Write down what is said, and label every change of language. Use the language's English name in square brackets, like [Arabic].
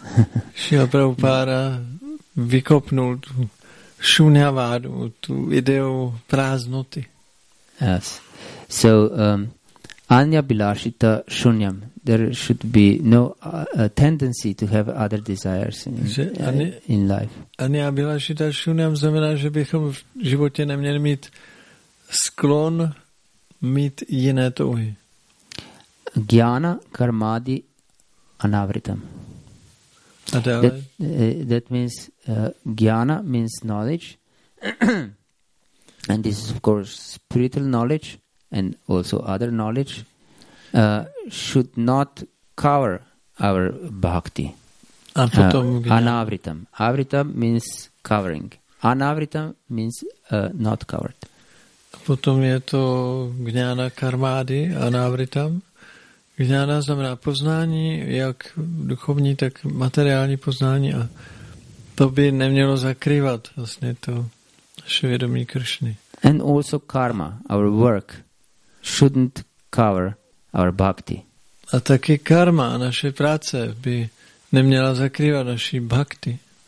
[Czech] Srila Prabhupada vykopnul tu shunyavadu, tu ideu prázdnoty. [English] Yes. So [Sanskrit] anya bilashita shunyam. [English] There should be no tendency to have other desires in life. [Sanskrit] Anya bilashita shunyam [Czech] znamená, že bychom v životě neměli mít sklon mít jiné touhy. [Sanskrit] Gyana karmadi anavritam. [English] That means gyana means knowledge, and this is of course spiritual knowledge and also other knowledge. Should not cover our bhakti. Anavritam. Avritam means covering. Anavritam means not covered. [Czech] Potom je to [Sanskrit] gňána karmády, anavritam. [Czech] Gňána znamená poznání, jak duchovní, tak materiální poznání. A to by nemělo zakrývat vlastně to naše vědomí Kršny. [English] And also karma, our work, shouldn't cover our bhakti. [Czech] A taky karma a naše práce by neměla zakrývat naši bhakti.